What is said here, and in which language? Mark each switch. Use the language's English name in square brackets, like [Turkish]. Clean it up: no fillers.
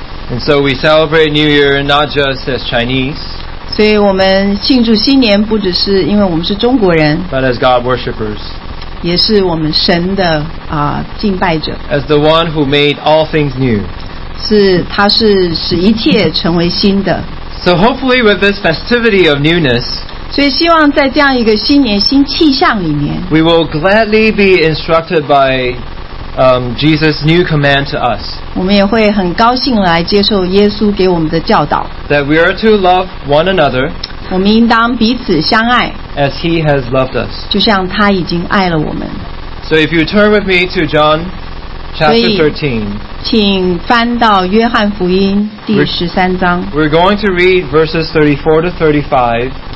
[English] And so we celebrate New Year not just as Chinese. [Chinese] 所以我们庆祝新年不只是因为我们是中国人。 [English] But as God worshippers. [Chinese] 也是我们神的 敬拜者。 [English] As the one who made all things new. [Chinese] 是他是使一切成为新的。 [English] So hopefully with this festivity of newness, [Chinese] 所以希望在这样一个新年新气象里面, [English] we will gladly be instructed by Jesus' new command to us. [Chinese] 我们也会很高兴来接受耶稣给我们的教导, [English] that we are to love one another, [Chinese] 我们应当彼此相爱, [English] as He has loved us. [Chinese] 就像他已经爱了我们。 [English] So if you turn with me to John chapter 13, [Chinese] 请翻到约翰福音第13章。 [English] We're going to read verses 34 to 35.